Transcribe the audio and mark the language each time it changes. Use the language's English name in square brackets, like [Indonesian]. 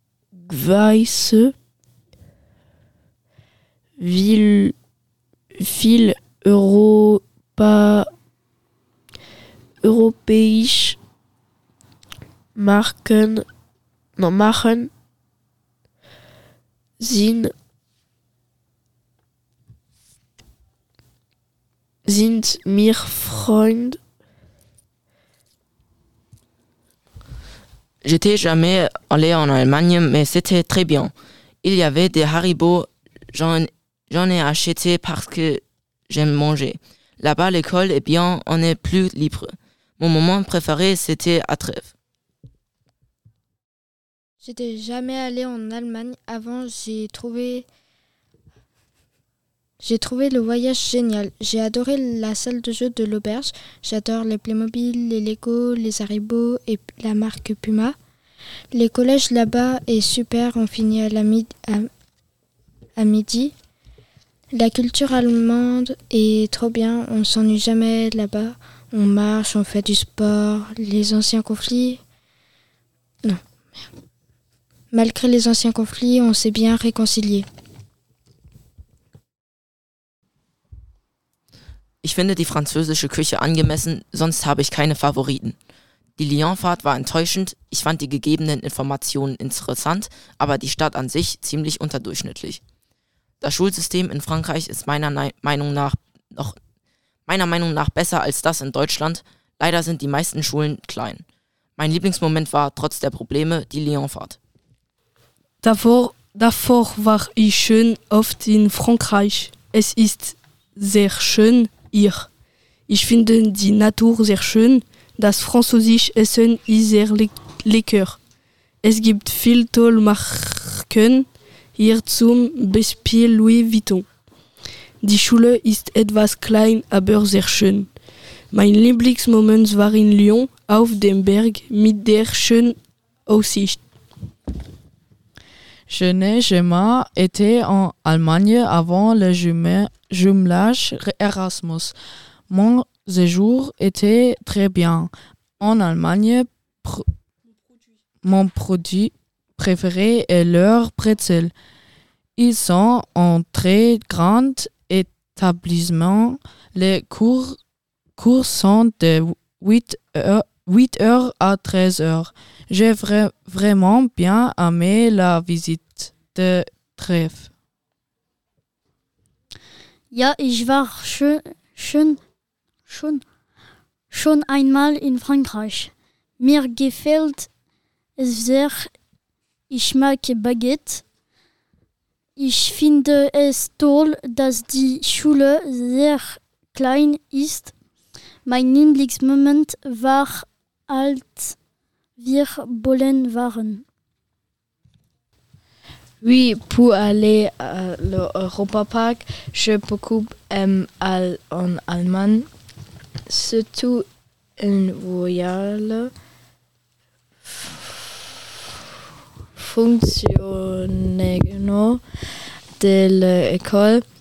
[French] Beseungweise viel europäisch machen sind mir Freund. J'étais jamais allé en Allemagne, mais c'était très bien. Il y avait des Haribo, j'en ai acheté parce que j'aime manger. Là-bas, l'école est bien, on est plus libre. Mon moment préféré, c'était à Trèves. J'étais jamais allé en Allemagne avant, j'ai trouvé le voyage génial. J'ai adoré la salle de jeu de l'auberge. J'adore les Playmobil, les Lego, les Haribo et la marque Puma. Les collèges là-bas est super, on finit à midi. La culture allemande est trop bien, on s'ennuie jamais là-bas. On marche, on fait du sport, les anciens conflits. Non. Malgré les anciens conflits, on s'est bien réconciliés. [German] Ich finde die französische Küche angemessen, sonst habe ich keine Favoriten. Die Lyon-Fahrt war enttäuschend, ich fand die gegebenen Informationen interessant, aber die Stadt an sich ziemlich unterdurchschnittlich. Das Schulsystem in Frankreich ist meiner Meinung nach besser als das in Deutschland, leider sind die meisten Schulen klein. Mein Lieblingsmoment war, trotz der Probleme, die Lyon-Fahrt. Davor war ich schon oft in Frankreich. Es ist sehr schön hier. Ich finde die Natur sehr schön. Das französische Essen ist sehr lecker. Es gibt viel tolle Marken, hier zum Beispiel Louis Vuitton. Die Schule ist etwas klein, aber sehr schön. Mein Lieblingsmoment war in Lyon auf dem Berg mit der schönen Aussicht. [French] Je n'ai jamais été en Allemagne avant le jumelage Erasmus. Mon séjour était très bien. En Allemagne, mon produit préféré est leur pretzel. Ils sont un très grand établissement. Les cours sont de 8 heures à 13 heures. J'ai vraiment bien aimé la visite de Trèves. [German] Ja, ich war schon einmal in Frankreich. Mir gefällt es sehr. Ich mag Baguette. Ich finde es toll, dass die Schule sehr klein ist. Mein Lieblingsmoment war, als wir bowlen waren. [French] Oui, pour aller à l'Europa-Park, j'ai beaucoup aimé aller en Allemagne. Surtout un voyage fonctionnant de l'école.